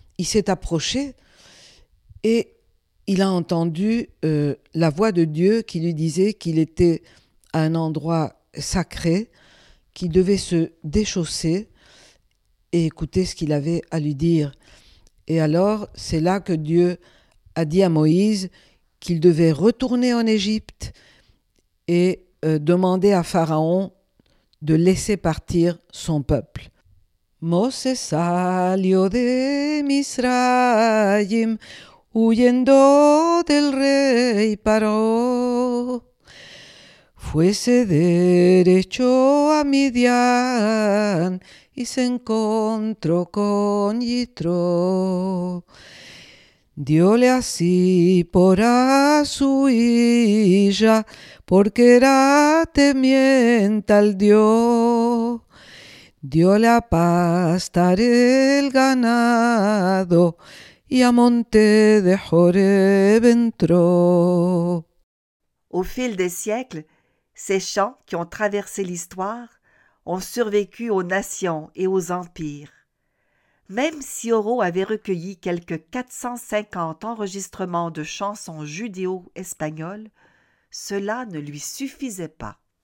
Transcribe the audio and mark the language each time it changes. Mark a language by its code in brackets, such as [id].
[fr] Il s'est approché et il a entendu la voix de Dieu qui lui disait qu'il était à un endroit sacré, qu'il devait se déchausser et écouter ce qu'il avait à lui dire. Et alors, c'est là que Dieu a dit à Moïse qu'il devait retourner en Égypte et demander à Pharaon de laisser partir son peuple. [lad] Mose salió de Misraim, huyendo del rey Paró. Fuese derecho a Midian y se encontró con Yitro. Diole así por a su hija, porque era temiente al Dios. Diole a pastar el ganado y a monte de Joreb entró. [fr] Au fil des siècles, ces chants qui ont traversé l'histoire ont survécu aux nations et aux empires. Même si Oro avait recueilli quelque 450 enregistrements de chansons judéo-espagnoles, cela ne lui suffisait pas.